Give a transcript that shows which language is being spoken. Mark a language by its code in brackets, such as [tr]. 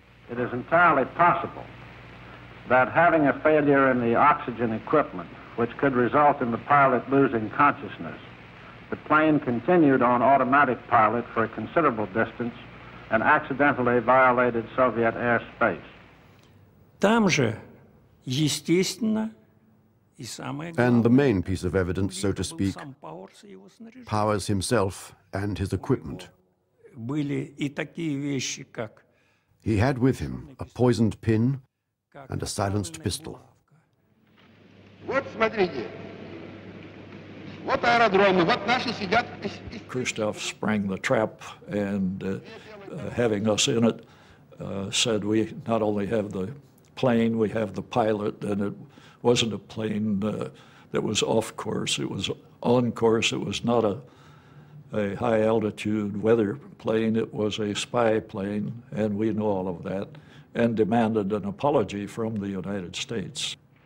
[en] It is entirely possible that having a failure in the oxygen equipment, which could result in the pilot losing consciousness, The plane continued on automatic pilot for a considerable distance and accidentally violated Soviet airspace. [ru] Там же, естественно, и самое главное. [en] And the main piece of evidence, so to speak, Powers himself and his equipment. [ru] Были и такие вещи, как [en] He had with him a poisoned pin and a silenced pistol. [ru] Вот смотрите. Вот аэродромы, вот наши сидят. [en] Christoph sprang the trap and having us in it said we not only have the plane, we have the pilot, and it wasn't a plane that was off course, it was on course, it was not a high altitude weather plane, it was a spy plane, and we know all of that, and demanded an apology from the United States.